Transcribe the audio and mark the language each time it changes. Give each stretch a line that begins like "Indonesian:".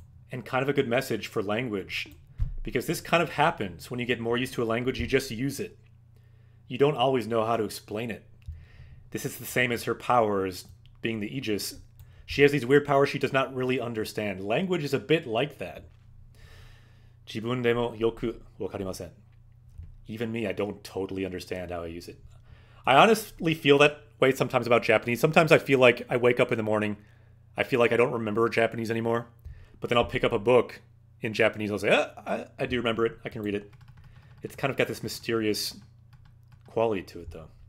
English: And kind of a good message for language. Because this kind of happens when you get more used to a language, you just use it. You don't always know how to explain it. This is the same as her powers being the Aegis. She has these weird powers she does not really understand. Language is a bit like that.
Japanese: 自分でもよくわかりません.
English: Even me, I don't totally understand how I use it. I honestly feel that way sometimes about Japanese. Sometimes I feel like I wake up in the morning, I feel like I don't remember Japanese anymore. But then I'll pick up a book in Japanese, I'll say, ah, I do remember it, I can read it. It's kind of got this mysterious quality to it, though.